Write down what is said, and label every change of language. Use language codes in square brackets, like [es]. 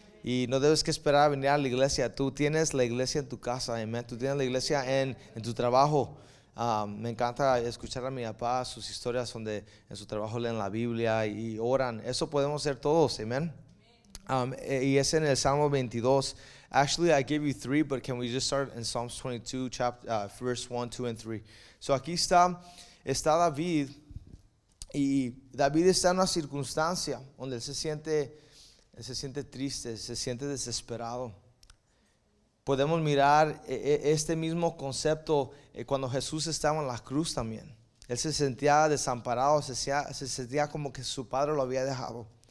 [es] Y no debes que esperar a venir a la iglesia. Tú tienes la iglesia en tu casa, amén. Tú tienes la iglesia en tu trabajo. Me encanta escuchar a mi papá, sus historias donde en su trabajo leen la Biblia y oran. Eso podemos hacer todos, amén. Y es en el Salmo 22. [en] Actually, I gave you three, but can we just start in Psalms 22, verse 1, 2, and 3. [es] So aquí está David. Y David está en una circunstancia donde él se siente triste, se siente desesperado. Podemos mirar este mismo concepto cuando Jesús estaba en la cruz también. Él se sentía desamparado, se sentía como que su padre lo había dejado.